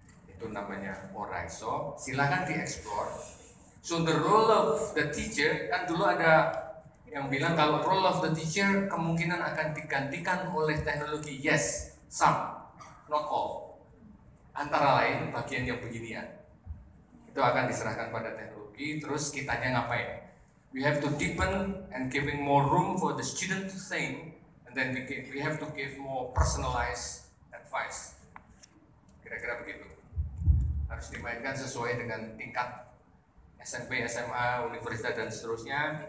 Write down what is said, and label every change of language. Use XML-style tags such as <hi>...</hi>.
<id>Itu namanya Oraiso. Silakan dieksplor.</id> <en>So the role of the teacher</en> <id>kan dulu ada yang bilang kalau</id> <en>role of the teacher</en> <id>kemungkinan akan digantikan oleh teknologi.</id> <en>Yes, some, not all.</en> <id>Antara lain bagian yang beginian. Itu akan diserahkan pada teknologi, terus kitanya ngapain?</id> <en>We have to deepen and giving more room for the student to think, and then we have to give more personalized advice.</en> <id>Kira-kira begitu. Harus dimainkan sesuai dengan tingkat SMP, SMA, universitas, dan seterusnya.</id>